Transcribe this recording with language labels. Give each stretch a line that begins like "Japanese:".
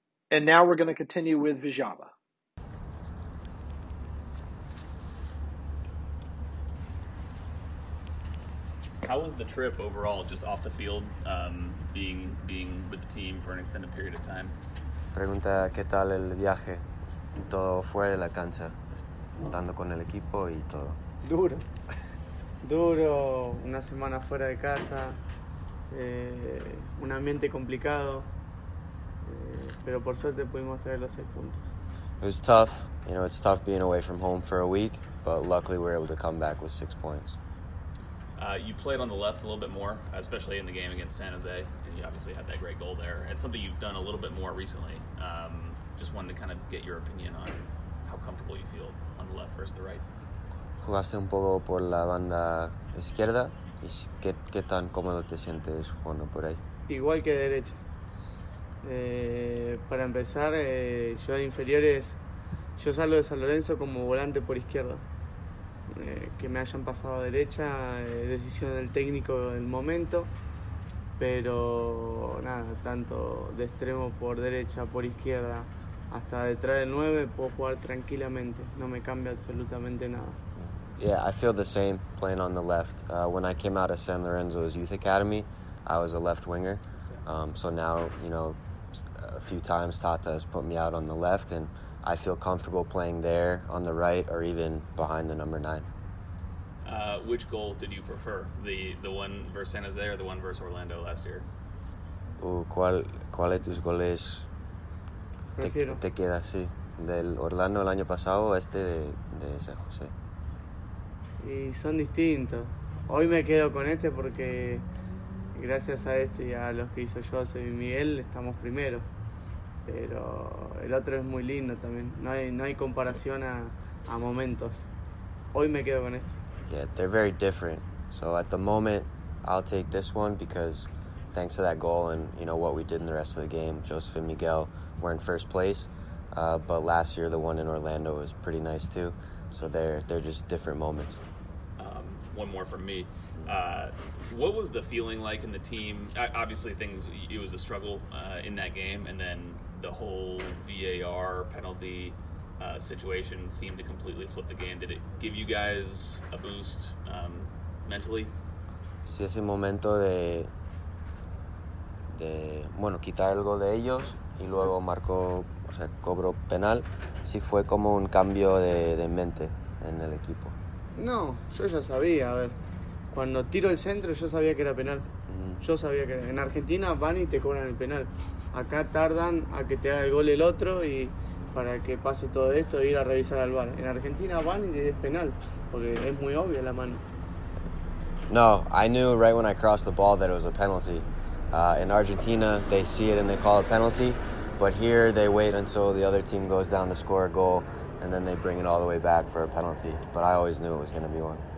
English: And now we're going to continue with Vijaba. how was the trip overall, just off the field, being with the team for an extended period of time?
Spanish: Pregunta, ¿qué tal el viaje? Todo fuera de la cancha, estando con el equipo y todo. Duro. Duro, una semana fuera de casa, un ambiente complicado, pero por suerte pudimos traer los 6 puntos.
English: It was tough, you know, it's tough being away from home for a week, but luckily we were able to come back with 6 points. You played on the left a little bit more, especially in the game against San Jose, and you obviously had that great goal there. It's something you've done a little bit more recently. Just wanted to kind of get your opinion on how comfortable you feel on the left versus the right.
Spanish: Jugaste un poco por la banda izquierda. ¿Qué tan cómodo te sientes jugando por ahí? Igual que derecha. Para empezar, yo de inferiores, yo salgo de San Lorenzo como volante por izquierda. Que me hayan pasado a derecha, decisión del técnico del momento. Pero nada, tanto de extremo por derecha, por izquierda, hasta detrás del 9 puedo jugar tranquilamente. No me cambia absolutamente nada.
English: Yeah, I feel the same playing on the left. When I came out of San Lorenzo's youth academy, I was a left winger. So now, you know, a few times Tata has put me out on the left, and I feel comfortable playing there on the right or even behind the number 9. Which goal did you prefer? The one versus San Jose or the one versus Orlando last year?
Spanish: ¿Cuál de tus goles te queda? Sí, del Orlando el año pasado o este de San Jose. Y son distintos. Hoy me quedo con este porque gracias a este y a los que hizo José y Miguel estamos primero. Pero el otro es muy lindo también. No hay comparación a momentos. Hoy me quedo con este.
English: Yeah, they're very different. So at the moment, I'll take this one because thanks to that goal and, you know, what we did in the rest of the game, Joseph and Miguel were in first place. But last year, the one in Orlando was pretty nice too. So they're just different moments. One more from me. What was the feeling like in the team? Obviously, it was a struggle in that game, and then the whole VAR penalty situation seemed to completely flip the game. Did it give you guys a boost mentally?
Spanish: Sí, ese momento de quitar el gol de ellos y luego marcó, o sea, cobró penal. Sí, fue como un cambio de mente en el equipo. No, yo ya sabía, a ver. Cuando tiro el centro, yo sabía que era penal. Mm-hmm. Yo sabía que en Argentina van y te cobran el penal. Acá tardan a que te haga el gol el otro y para que pase todo esto ir a revisar al VAR. En Argentina van y te es penal, porque es muy obvio la mano.
English: No, I knew right when I crossed the ball that it was a penalty. In Argentina, they see it and they call it penalty. But here, they wait until the other team goes down to score a goal, and then they bring it all the way back for a penalty. But I always knew it was going to be one.